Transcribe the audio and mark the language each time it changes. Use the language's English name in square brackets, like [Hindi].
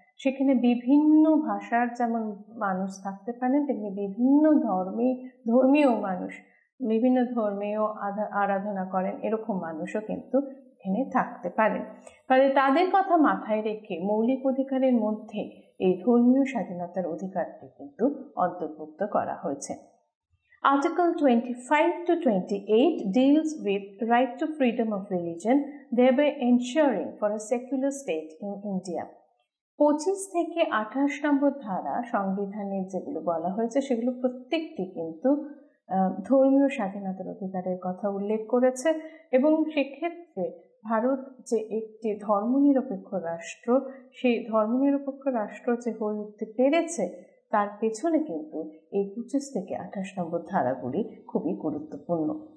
[Bangla] সেখানে বিভিন্ন ভাষার যেমন মানুষ থাকতে পারেন, তেমনি বিভিন্ন ধর্মীয় মানুষ বিভিন্ন ধর্মীয় আরাধনা করেন এরকম মানুষও কিন্তু এখানে থাকতে পারেন। ফলে তাদের কথা মাথায় রেখে মৌলিক অধিকারের মধ্যে এই ধর্মীয় স্বাধীনতার অধিকারটি কিন্তু অন্তর্ভুক্ত করা হয়েছে। [English] Article 25 to 28 deals with right to freedom of religion, thereby ensuring for a secular state in India. [Bangla] 25 থেকে 28 নম্বর ধারা সংবিধানের যেগুলো বলা হয়েছে সেগুলো প্রত্যেকটি কিন্তু ধর্মীয় স্বাধীনতার অধিকারের কথা উল্লেখ করেছে, এবং সেক্ষেত্রে ভারত যে একটি ধর্মনিরপেক্ষ রাষ্ট্র, সেই ধর্মনিরপেক্ষ রাষ্ট্র যে হয়ে উঠতে পেরেছে তার পেছনে কিন্তু এই 25 থেকে 28 নম্বর ধারাগুলি খুবই গুরুত্বপূর্ণ।